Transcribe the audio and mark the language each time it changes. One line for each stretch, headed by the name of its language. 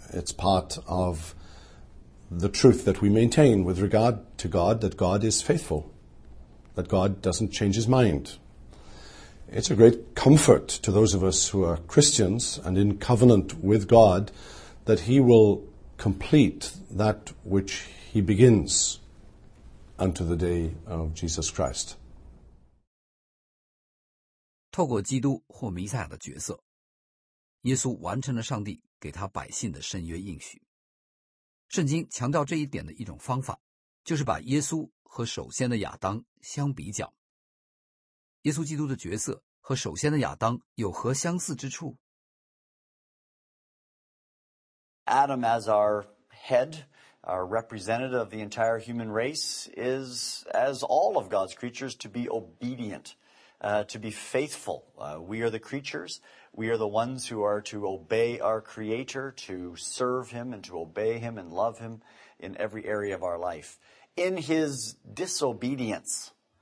English: It's part of the truth that we maintain with regard to God, that God is faithful, that God doesn't change his mind. It's a great comfort to those of us who are Christians and in covenant with God that he will complete that which he begins unto the day of Jesus Christ.
Chinese: 透过基督或弥赛亚的角色，耶稣完成了上帝给他百姓的圣约应许。圣经强调这一点的一种方法，就是把耶稣和首先的亚当相比较。耶稣基督的角色和首先的亚当有何相似之处？
English: Adam, as our head, our representative of the entire human race, is, as all of God's creatures, to be obedient, to be faithful. We are the creatures. We are the ones who are to obey our Creator, to serve Him and to obey Him and love Him in every area of our life. In His disobedience,